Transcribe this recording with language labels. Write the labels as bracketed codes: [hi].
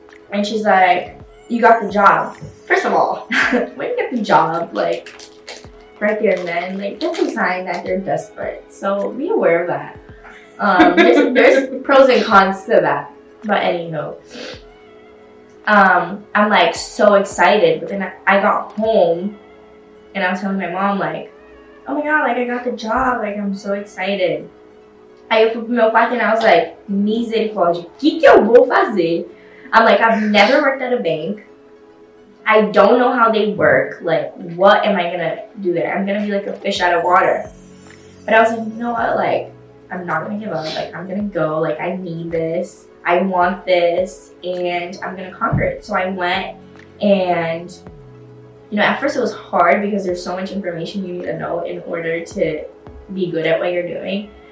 [en] And she's like, you got the job. First of all, when you get the job, like right there and then, like that's a sign that they're desperate. So be aware of that. There's pros and cons to that. But anywho, I'm like so excited. But then I got home and I was telling my mom, like, oh my God, like I got the job. Like, I'm so excited. [pt] Aí eu fui pro meu pai e [en] I was like, [pt] misericórdia, o que eu vou fazer? [en] I'm like, I've never worked at a bank. I don't know how they work. Like, what am I gonna do there? I'm gonna be like a fish out of water. But I was like, you know what? Like, I'm not gonna give up. Like, I'm gonna go. Like, I need this. I want this. And I'm gonna conquer it. So I went and, you know, at first it was hard because there's so much information you need to know in order to be good at what you're doing.